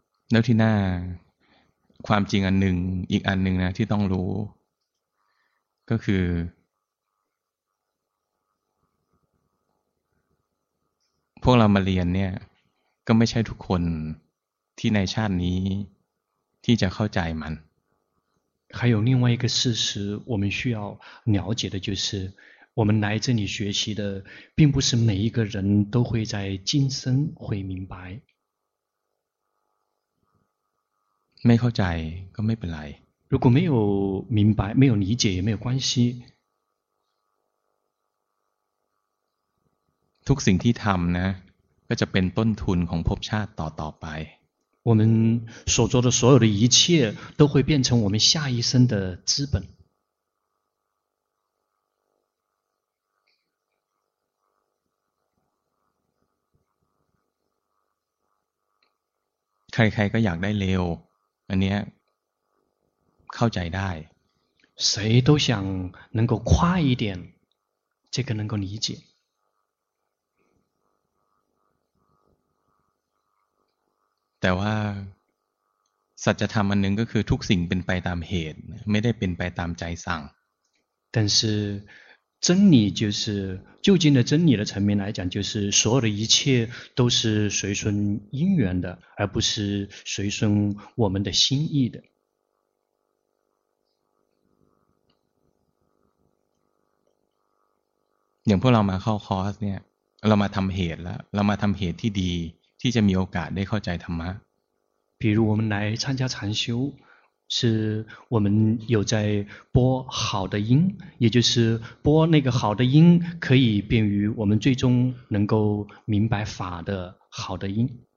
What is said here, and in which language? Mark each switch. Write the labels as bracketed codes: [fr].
[th] แล้วที่หน้าความจริงอันหนึ่งอีกอันหนึ่งนะที่ต้องรู้ก็คือพวกเรามาเรียนเนี่ยก็ไม่ใช่ทุกคนที่ในชาตินี้ที่จะเข้าใจมัน [zh] 还有另外一个事实我们需要了解的就是我们来这里学习的并不是每一个人都会在今生会明白 [th] ไม่เข้าใจก็ไม่เป็นไร [zh] 如果没有明白没有理解也没有关系 [th] ทุกสิ่งที่ทำนะก็จะเป็นต้นทุนของภพชาติต่อไป [zh] 我们所做的所有的一切都会变成我们下一生的资本 [th] ใครๆก็อยากได้เร็วอันนี้เข้าใจได้ [zh] 谁都想能够快一点这个能够理解 [th] แต่ว่าสัจธรรมอันหนึ่งก็คือทุกสิ่งเป็นไปตามเหตุไม่ได้เป็นไปตามใจสั่ง [zh] 但是真理就是究竟的真理的层面来讲就是所有的一切都是随顺因缘的而不是随顺我们的心意的 [th] อย่างพวกเรามาเข้าคอร์สเนี่ยเรามาทำเหตุแล้วเรามาทำเหตุที่ดีที่จะมีโอกาสได้เข้าใจธรรมะ [zh] 比如我们来参加禅修是我们有在播好的因也就是播那个好的因可以便于我们最终能够明白法的好的因